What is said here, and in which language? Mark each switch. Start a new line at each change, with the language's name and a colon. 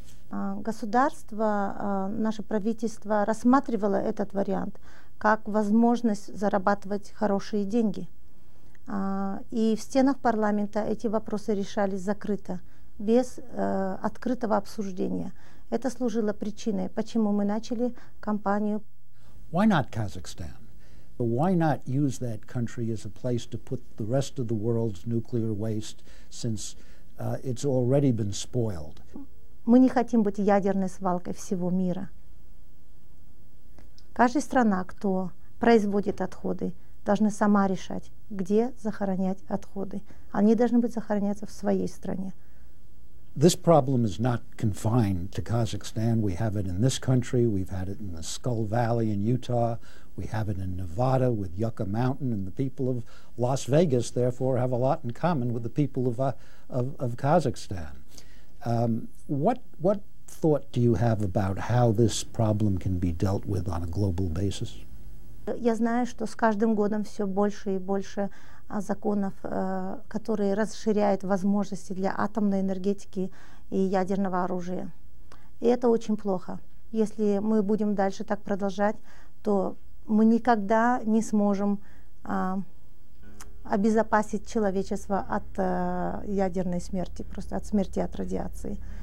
Russian: Государство, наше правительство рассматривало этот вариант как возможность зарабатывать хорошие деньги. И в стенах парламента эти вопросы решались закрыто, без открытого обсуждения. Это служило причиной, почему мы начали кампанию.
English: Why not Kazakhstan? Why not use that country as a place to put the rest of the world's nuclear waste, since it's already been spoiled?
Russian: Мы не хотим быть ядерной свалкой всего мира. Каждая страна, кто производит отходы, должна сама решать, где захоронять отходы. Они должны быть захороняться в своей стране.
English: This problem is not confined to Kazakhstan. We have it in this country. We've had it in the Skull Valley in Utah. We have it in Nevada with Yucca Mountain, and the people of Las Vegas, therefore, have a lot in common with the people of Kazakhstan. What thought do you have about how this problem can be dealt with on a global basis?
Russian: Я знаю, что с каждым годом все больше и больше законов, которые расширяют возможности для атомной энергетики и ядерного оружия. И это очень плохо. Если мы будем дальше так продолжать, то мы никогда не сможем обезопасить человечество от ядерной смерти, просто от смерти от радиации.